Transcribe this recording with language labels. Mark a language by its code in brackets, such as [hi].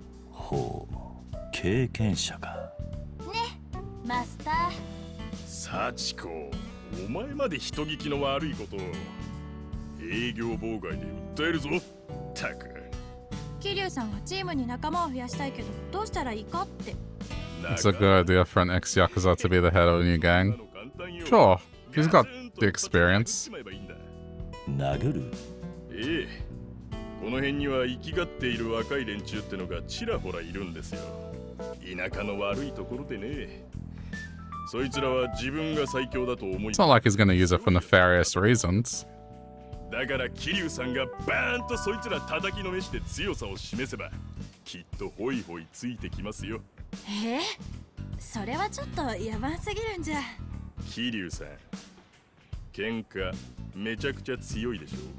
[ja] ほう、経験者かね、マスター。幸子、お前まで人聞きの悪いことを。営業妨害で訴えるぞ。ったく、キリュウさんはチームに仲間を増やしたいけどどうしたらいいかって。 [en] It's a good idea for an ex-Yakuza to be the head of a new gang. Sure, he's got the experience. [ja] 殴る？ええ、この辺には生きがっている若い連中ってのがちらほらいるんですよ。田舎の悪いところでね。そいつらは自分が最強だと思い。 [en] It's not like he's gonna use it for nefarious reasons. [ja] だから桐生さんがバーンとそいつら叩きのめして強さを示せば、きっとホイホイついてきますよ。え？それはちょっとやばすぎるんじゃ。桐生さん、喧嘩めちゃくちゃ強いでしょ。